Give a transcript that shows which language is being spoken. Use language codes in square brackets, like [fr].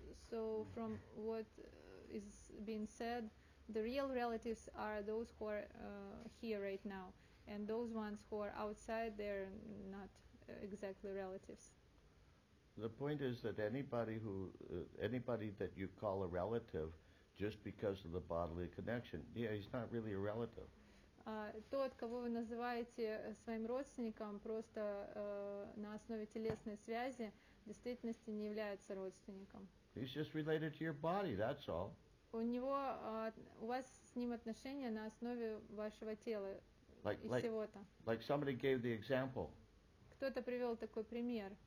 [en] So from what is being said, the real relatives are those who are here right now, and those ones who are outside, they're not exactly relatives. The point is that anybody that you call a relative, just because of the bodily connection, yeah, he's not really a relative. [ru] Тот, кого вы называете своим родственником просто на основе телесной связи, в действительности не является родственником. [en] He's just related to your body, that's all. [ru] У него, у вас с ним отношения на основе вашего тела и всего-то. [en] Like somebody gave the example. [ru] Кто-то привел такой пример.